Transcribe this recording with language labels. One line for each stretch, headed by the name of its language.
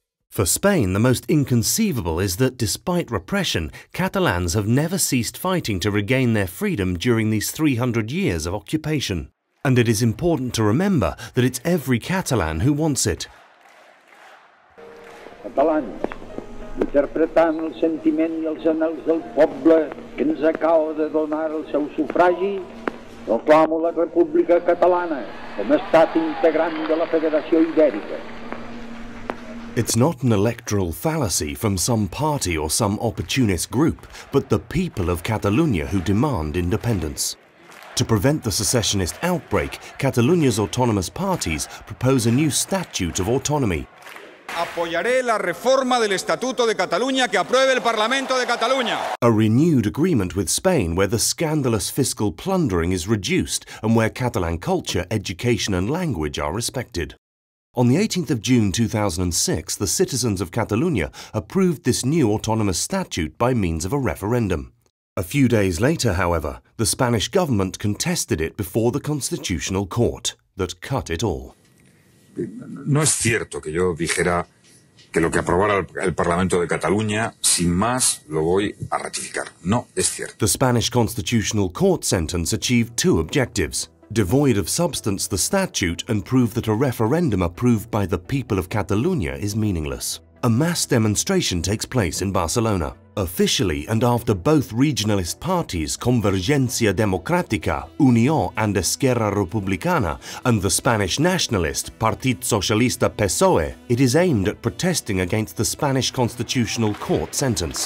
English: For Spain, the most inconceivable is that, despite repression, Catalans have never ceased fighting to regain their freedom during these 300 years of occupation. And it is important to remember that it's every Catalan who wants it.
Catalan: Catalans, interpretant els sentiments i els anhels del poble que ens acaba de donar el seu sufragi, proclamo la República Catalana com a estat integrant de la Federació Ibèrica.
English: It's not an electoral fallacy from some party or some opportunist group, but the people of Catalonia who demand independence. To prevent the secessionist outbreak, Catalunya's autonomous parties propose a new statute of autonomy.
Spanish: Apoyaré la reforma del Estatuto de Cataluña que apruebe el Parlamento de Cataluña.
English: A renewed agreement with Spain where the scandalous fiscal plundering is reduced and where Catalan culture, education and language are respected. On the 18th of June 2006, the citizens of Catalonia approved this new autonomous statute by means of a referendum. A few days later, however, the Spanish government contested it before the Constitutional Court that cut it all.
Spanish: No es cierto que yo dijera que lo que aprobara el Parlamento de Cataluña, sin más, lo voy a ratificar. No es cierto.
English: The Spanish Constitutional Court sentence achieved two objectives. Devoid of substance, the statute, and prove that a referendum approved by the people of Catalonia is meaningless. A mass demonstration takes place in Barcelona. Officially, and after both regionalist parties, Convergencia Democrática, Unió and Esquerra Republicana, and the Spanish nationalist, Partit Socialista PSOE, it is aimed at protesting against the Spanish Constitutional Court sentence.